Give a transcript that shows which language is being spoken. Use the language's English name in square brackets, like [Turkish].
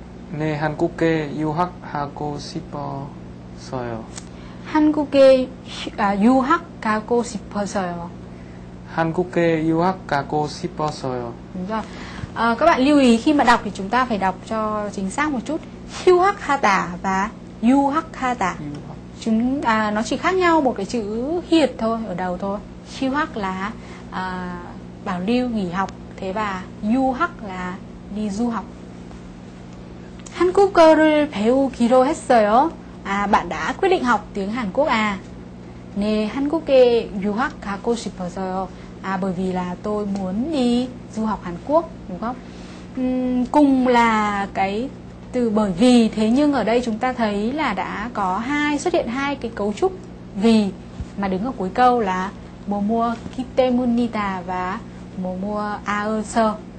[Korean] 네, 한국에 유학하고 싶어서요. 한국에 유학 가고 싶어서요. 한국에 유학 가고 싶어서요. [Vietnamese] 아, các bạn lưu ý khi mà đọc thì chúng ta phải đọc cho chính xác một chút. [Korean] 휴학하다 và 유학하다. [Vietnamese] Nó chỉ khác nhau một cái chữ hiệt thôi, ở đầu thôi. 휴학 là bảo lưu, nghỉ học. Thế và 유학 là đi du học. [Korean] 한국어를 배우기로 했어요. [Vietnamese] Bạn đã quyết định học tiếng Hàn Quốc à? [Korean] 네, 한국에 유학 가고 싶어서요. [Vietnamese] Bởi vì là tôi muốn đi du học Hàn Quốc, đúng không? Cùng là cái từ bởi vì, thế nhưng ở đây chúng ta thấy là đã có hai xuất hiện hai cái cấu trúc vì mà đứng ở cuối câu là 모모 기 때문이다 và 모모 아서.